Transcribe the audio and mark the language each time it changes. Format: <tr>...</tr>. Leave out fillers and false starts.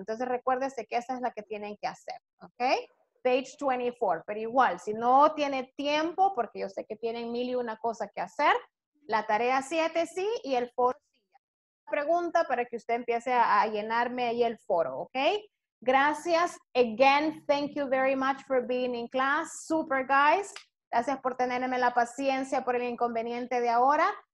<es>Entonces, recuérdese que esa es la que tienen que hacer. ¿Ok?</es> <en>Page 24.</en> <es>Pero igual, si no tiene tiempo, porque yo sé que tienen mil y una cosa que hacer, la tarea 7 sí y el foro sí. Pregunta para que usted empiece a llenarme ahí el foro. ¿Ok? Gracias.</es> <en>Again, thank you very much for being in class. Super, guys.</en> <es>Gracias por tenerme la paciencia por el inconveniente de ahora.</es>